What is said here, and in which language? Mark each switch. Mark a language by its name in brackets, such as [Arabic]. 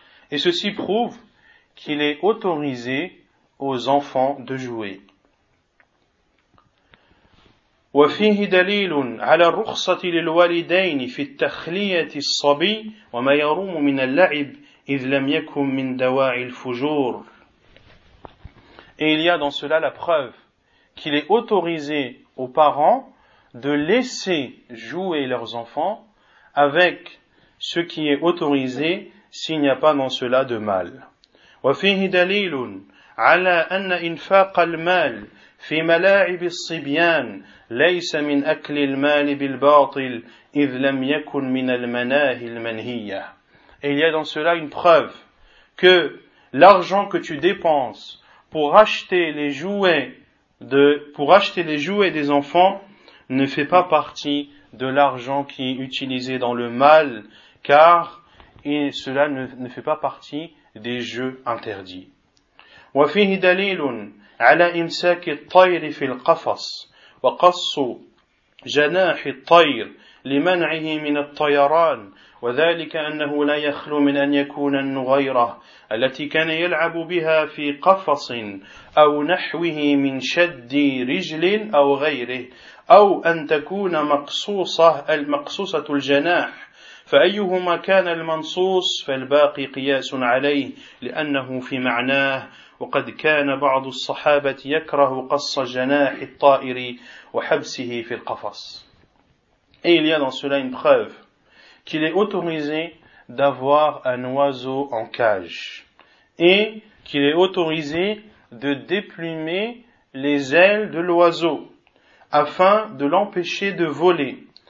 [French] Et ceci prouve qu'il est autorisé aux enfants de jouer. [Arabic] وفيه دليل على الرخصة للوالدين في التخلية الصبي وما يروم من اللعب إذ لم يكن من دواعي الفجور. [French] Et il y a dans cela la preuve qu'il est autorisé aux parents de laisser jouer leurs enfants avec ce qui est autorisé s'il n'y a pas dans cela de mal. [Arabic] وفيه دليل على أن إنفاق المال في ملاعب الصبيان ليس من أكل المال بالباطل إذ لم يكن من المناهي المنهية. [French] Et il y a dans cela une preuve que l'argent que tu dépenses pour acheter les jouets des enfants ne fait pas partie de l'argent qui est utilisé dans le mal, car cela ne fait pas partie des jeux interdits. [Arabic] وفيه دليل على إمساك الطير في القفص وقص جناح الطير لمنعه من الطيران وذلك أنه لا يخلو من أن يكون النغيرة التي كان يلعب بها في قفص أو نحوه من شد رجل أو غيره أو أن تكون المقصوصة الجناح فأيهما كان المنصوص فالباقي قياس عليه لأنه في معناه وقد كان بعض الصحابة يكره قص جناح الطائر وحبسه في القفص. [French] Et il y a dans cela une preuve qu'il est autorisé d'avoir un oiseau en cage et qu'il est autorisé de déplumer les ailes de l'oiseau afin de l'empêcher de voler.